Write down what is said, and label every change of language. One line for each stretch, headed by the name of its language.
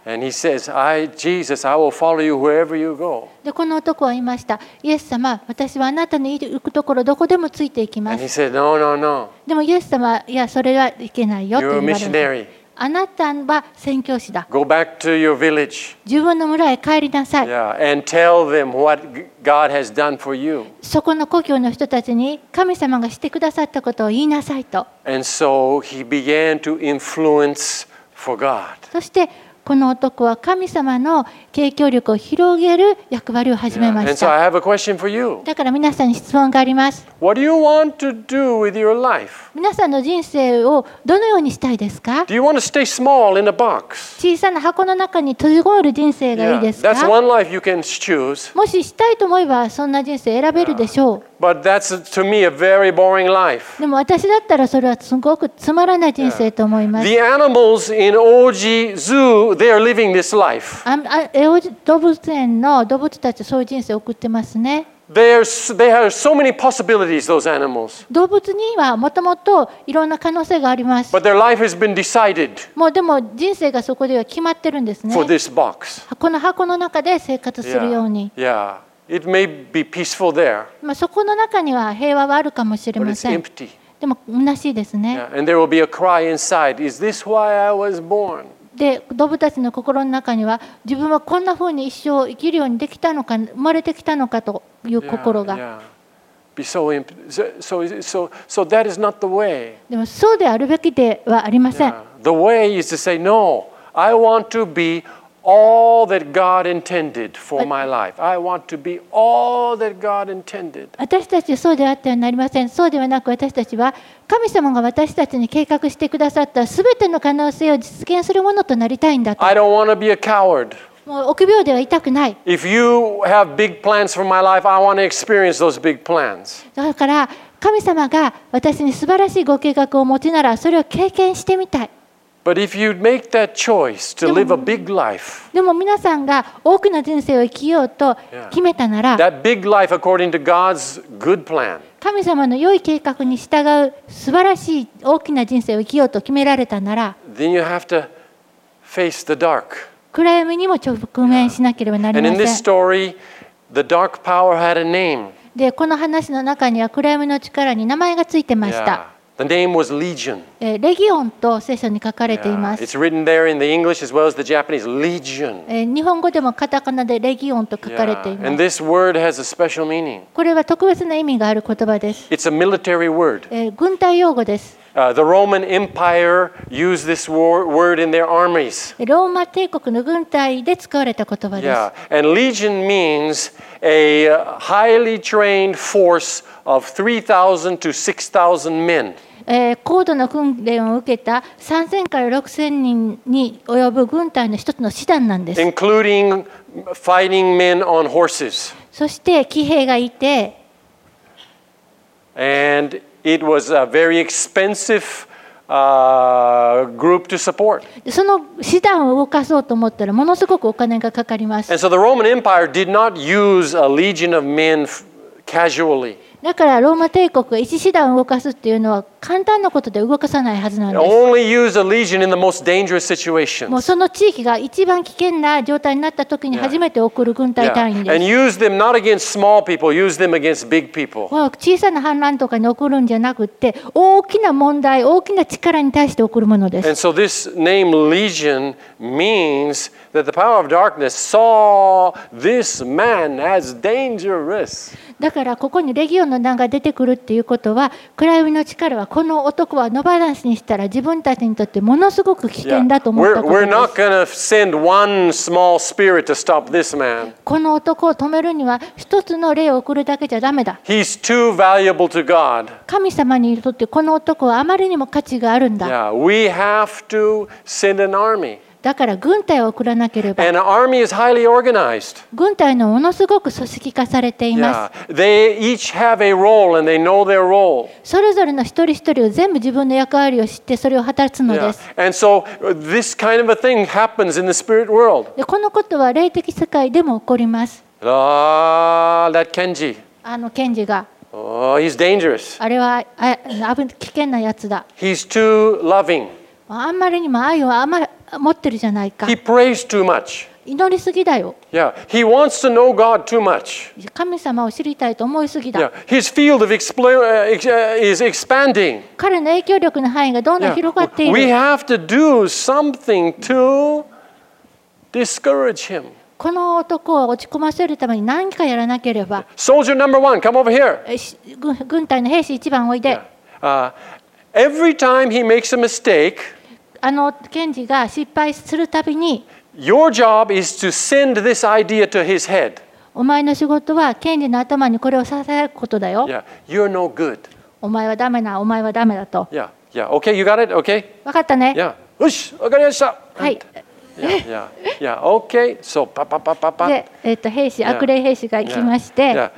English: And he says, Jesus, I will follow you wherever you go.
Japanese: でこの男は言いました。イエス様、私はあなたの行くところどこでもついていきます。
English: And he said, no, no, no.
Japanese: でもイエス様、いやそれはいけないよと言われる。
English: You're a missionary.
Japanese: あなたは宣教師だ。
English: Go back to your village.
Japanese: 自分の村へ帰りなさい。
English: Yeah, and tell them what God has done for you.
Japanese: そこの故郷の人たちに神様がしてくださったことを言いなさいと。
English: And so he began to influence for God.
Japanese: そしてこの男は神様の影響力を広げる役割を始めました。
English: And so I have a question for you.
Japanese: だから皆さんに質問があります。
English: What do you want to do with your life?
Japanese: 皆さんの人生をどのようにしたいですか？
English: Do you want to stay small in a box?
Japanese: 小さな箱の中に閉じこもる人生がいいですか？
English: That's one life you can choose.
Japanese: もししたいと思えばそんな人生選べるでしょう。
English: But that's to me a very boring life.
Japanese: でも私だったらそれはすごくつまらない人生と思います。
English: The animals in Oji Zoo, they are living this life.
Japanese: 動物園の動物たちはそういう人生を送ってますね。
English: They have so many possibilities, those animals.
Japanese: 動物にはもともといろんな可能性があります。
English: But their life has been decided.
Japanese: もうでも人生がそこでは決まってるんですね。
English: For this box.
Japanese: この箱の中で生活するように。
English: Yeah. Yeah. It may be peaceful there.
Japanese: まあそこの中には平和はあるかもしれません。
English: But it's empty.
Japanese: でも虚しいですね。
English: Yeah. And there will be a cry inside. Is this why I was born?
Japanese: で、動物たちの心の中には自分はこんな風に一生生きるようにできたのか、生まれてきたのかという心が。
English: Yeah. Yeah. Be so empty. So that is not the way.
Japanese: でもそうであるべきではありません。
English: Yeah. The way is to say no. I want to be. All that God intended for my life. I want to be all that God intended.
Japanese: 私たちはそうであってはなりません。そうではなく、私たちは神様が私たちに計画してくださった全ての可能性を実現するものとなりたいんだと。
English: I don't want to be a coward.
Japanese: もう臆病ではいたくない。
English: If you have big plans for my life, I want to experience those big plans.
Japanese: だから神様が私に素晴らしいご計画を持ちなら、それを経験してみたい。
English: But if you make that choice to live a big life,
Japanese: でも皆さんが大きな人生を生きようと決めたなら、
English: that big life according to God's good plan,
Japanese: 神様の良い計画に従う素晴らしい大きな人生を生きようと決められたなら、
English: then you have to face the dark.
Japanese: 暗闇にも直面しなければなりません。
English: And in this story, the dark power had a name.
Japanese: で、この話の中には暗闇の力に名前がついてました。
English: The name was Legion.
Japanese: レギオンと聖書に書かれています。
English: It's written there in the English as well as the Japanese, Legion.
Japanese: 日本語でもカタカナでレギオンと書かれています。
English: And this word has a special meaning.
Japanese: これは特別な意味がある言葉です。
English: It's a military word.
Japanese: 軍隊用語です。
English: The Roman Empire used this word in their armies.
Japanese: ローマ帝国の軍隊で使われた言葉です。
English: Yeah. And Legion means a highly trained force of 3,000 to 6,000 men.
Japanese: 高度な訓練を受けた3,000から6,000人に及ぶ軍隊の一つの師団なんです。
English: Including fighting men on horses.
Japanese: そして騎兵がいて、
English: And it was a very expensive group to support.
Japanese: その師団を動かそうと思ったらものすごくお金がかかります。
English: And so the Roman Empire did not use a legion of men casually.
Japanese: だからローマ帝国が一師団を動かすっていうのは簡単なことで動かさないはずなんです。
English: Only use a legion in the most dangerous situations.
Japanese: もうその地域が一番危険な状態になった時に初めて送る軍隊単位です。
English: And use them not against small people, use them against big people.
Japanese: 小さな反乱とかに送るんじゃなくて、大きな問題、大きな力に対して送るものです。
English: And so this name Legion means that the power of darkness saw this man as dangerous.
Japanese: だからここにレギオンの名が出てくるっていうことは、暗闇の力はこの男は野放しにしたら自分たちにとってものすごく危険だと思ったことです。
English: We're not going to send one small spirit to stop this man.
Japanese: この男を止めるには一つの霊を送るだけじゃダメだ。
English: He's too valuable to God.
Japanese: 神様にとってこの男はあまりにも価値があるんだ。
English: Yeah, we have to send an army.
Japanese: だから軍隊を送らなければ。
English: And an army is highly organized.
Japanese: 軍隊のものすごく組織化されています。
English: Yeah. They each have a role and they know their role.
Japanese: それぞれの一人一人を全部自分の役割を知ってそれを果たすのです。
English: Yeah. And so this kind of a thing happens in the spirit world.
Japanese: で、このことは霊的世界でも起こります。
English: That Kenji.
Japanese: あのケンジが。
English: Oh, he's dangerous.
Japanese: あれは危険なやつだ。
English: He's too loving.
Japanese: あんまりにも愛をあまり持ってるじゃないか。
English: He prays too much.
Japanese: 祈りすぎだよ。
English: Yeah. He wants to know God too much.
Japanese: 神様を知りたいと思いすぎだ。
English: Yeah. His field of is expanding.
Japanese: 彼の影響力の範囲がどんどん広がっている。
English: Yeah. We have to do something to discourage him.
Japanese: この男を落ち込ませるために何かやらなければ。
English: Soldier number one, come over here.
Japanese: 軍隊の兵士一番おいで。
English: Yeah. Every time he makes a mistake,
Japanese: あのケンジが失敗するたびに、
English: Your job is to send this idea to his head.
Japanese: お前の仕事はケンジの頭にこれをささやくことだよ。
English: Yeah, you're no good.
Japanese: お前はダメな、お前はダメだと。
English: Yeah, yeah. Okay, you got it. Okay.
Japanese: わかったね。
English: Yeah.
Japanese: よし、わかりました。はい。
English: Yeah. Okay. So, パパパパパ。
Japanese: で、兵士、悪霊兵士が来まして、